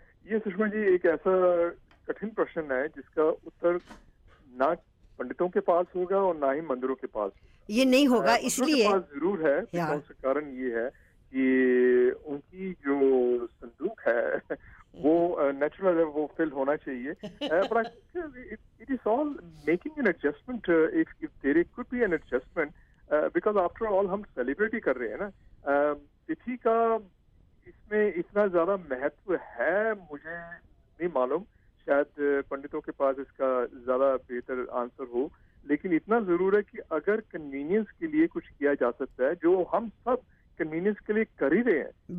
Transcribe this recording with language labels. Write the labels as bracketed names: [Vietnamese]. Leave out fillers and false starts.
[Hindi] ये सुषमा जी एक ऐसा कठिन प्रश्न है जिसका उत्तर ना पंडितों के पास होगा और ना ही मंदिरों के पास, ये नहीं होगा. इसलिए जरूर है, कारण ये है कि उनकी जो संदूक है वो नेचुरल है, वो फिल होना चाहिए. [English] It is all making an adjustment. If there could be an adjustment, because after all, [Hindi] हम [English] celebrate [Hindi] कर रहे हैं ना. तिथि का इसमें इतना ज़्यादा महत्व है मुझे नहीं मालूम, शायद पंडितों के पास इसका ज़्यादा बेहतर आंसर हो, लेकिन इतना ज़रूर है कि अगर कन्वीनियंस के लिए कुछ किया जा सकता है, जो हम सब कन्वीनियंस के लिए कर ही रहे हैं